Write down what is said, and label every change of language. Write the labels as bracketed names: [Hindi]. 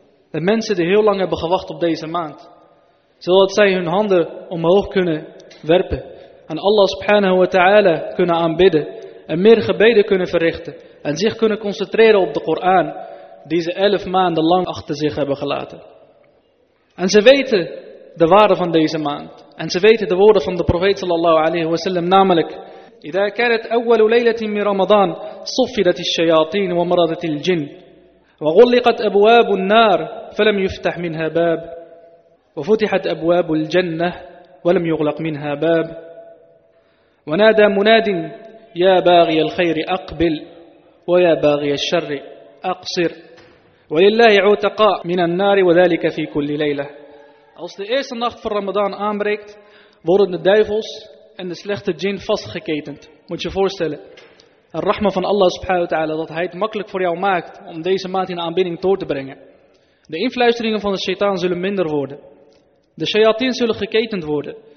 [Dutch] De mensen die heel lang hebben gewacht op deze maand. Zodat zij hun handen omhoog kunnen werpen. En Allah subhanahu wa ta'ala kunnen aanbidden. En meer gebeden kunnen verrichten. En zich kunnen concentreren op de Koran die ze 11 maanden lang achter zich hebben gelaten. En ze weten de waarde van deze maand. En ze weten de woorden van de profeet sallallahu alayhi wa sallam, namelijk: [Arabic] إذا كانت أول ليلة من رمضان صفدت الشياطين ومرضت الجن وغلقت أبواب النار فلم يفتح منها باب وفتحت أبواب الجنة ولم يغلق منها باب ونادى مناد يا باغي الخير أقبل ويا باغي الشر أقصر ولله عتقاء من النار وذلك في كل ليلة. [Dutch] Als de eerste nacht van Ramadan aanbreekt, worden de duivels en de slechte djinn vastgeketend. Moet je voorstellen. Een rahma van Allah subhanahu wa ta'ala, dat hij het makkelijk voor jou maakt om deze maand in aanbidding door te brengen. De influisteringen van de shaitaan zullen minder worden. De shayatin zullen geketend worden.